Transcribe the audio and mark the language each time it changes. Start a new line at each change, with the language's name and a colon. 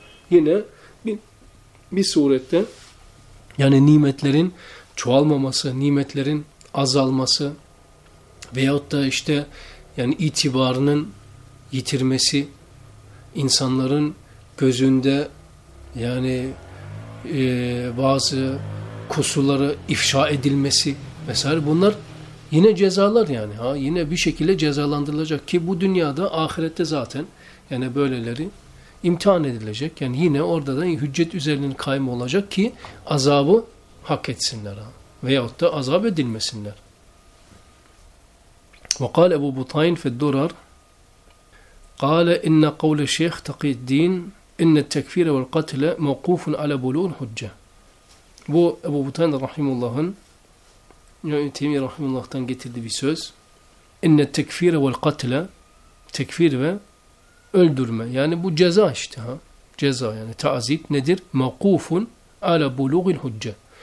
Turkish: Yine bir surette, yani nimetlerin çoğalmaması, nimetlerin azalması veyahut da işte yani itibarının yitirmesi, insanların gözünde yani bazı kusurları ifşa edilmesi vesaire, bunlar yine cezalar yani. Ha, yine bir şekilde cezalandırılacak ki bu dünyada, ahirette zaten yani böyleleri imtihan edilecek. Yani yine orada da hüccet üzerinin kayma olacak ki azabı hak etsinler. Ha. Veyahut da azap edilmesinler.
Arabic: Ve kâle Ebu Butayn fiddurar قَالَ اِنَّ قَوْلَ الشَّيْخْ تَقِي الدِّينَ اِنَّ التَّكْفِيرَ وَالْقَتْلَ مَوْقُوفٌ عَلَى بُلُوغِ الْحُجَّةِ.
Turkish: Bu Ebu Butayn Rahimullah'ın, İmam-ı Teymi Rahimullah'tan getirdiği bir söz.
Arabic: اِنَّ التَّكْفِيرَ وَالْقَتْلَ,
Turkish: tekfir ve öldürme. Yani bu ceza işte. Ha? Ceza yani taazip nedir?
Arabic: مَوْقُوفٌ عَلَى بُلُوغِ الْحُجَّةِ.